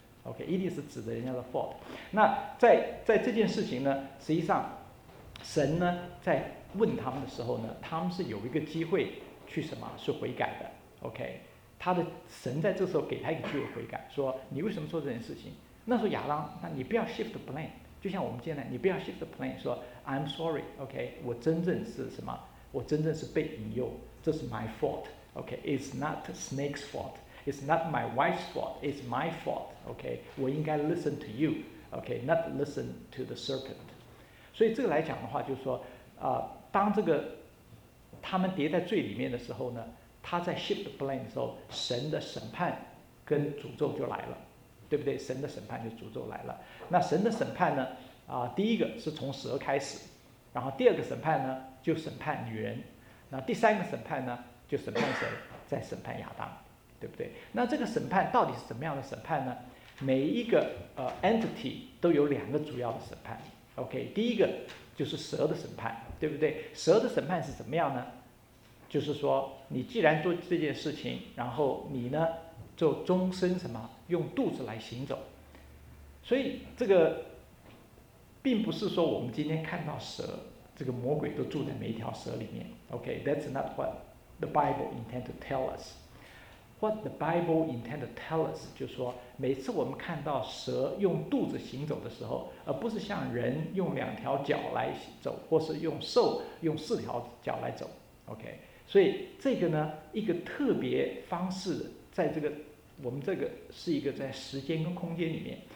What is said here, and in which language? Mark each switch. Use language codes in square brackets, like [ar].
[zh] OK， 一定是指着人家的 fault。那在这件事情呢，实际上神呢在问他们的时候呢，他们是有一个机会去什么，是悔改的。 OK， 他的神在这时候给他一个机会悔改，说你为什么做这件事情。那时候亚当，那你不要 [en] shift blame， [zh] 就像我们今天你不要 [en] shift blame， 说 I'm sorry， OK， [zh] 我真正是什么，我真正是被引诱，这是 [en] my fault， OK， it's not snake's faultIt's not my wife's fault, it's my fault, okay? [zh] 我应该 [en] listen to you, okay? Not listen to the serpent. [zh] 所以这个来讲的话就是说当这个他们跌在罪里面的时候呢，他在 shift blame 的时候，神的审判跟诅咒就来了，对不对？神的审判就诅咒来了。那神的审判呢第一个是从蛇开始，然后第二个审判呢就审判女人，那第三个审判呢就审判谁？在审判亚当，对不对？那这个审判到底是什么样的审判呢？每一个entity 都有两个主要的审判。 OK， 第一个就是蛇的审判，对不对？蛇的审判是怎么样呢？就是说，你既然做这件事情，然后你呢，就终身什么，用肚子来行走。所以这个并不是说我们今天看到蛇，这个魔鬼都住在每一条蛇里面。 [en] OK， that's not what the Bible intend to tell us. What the Bible intend to tell us [zh] 就是说，每次我们看到蛇用肚子行走的时候，而不是像人用两条脚来走，或是用兽用四条脚来走。 OK， 所以这个呢，一个特别方式，在这个我们这个是一个在时间跟空间里面。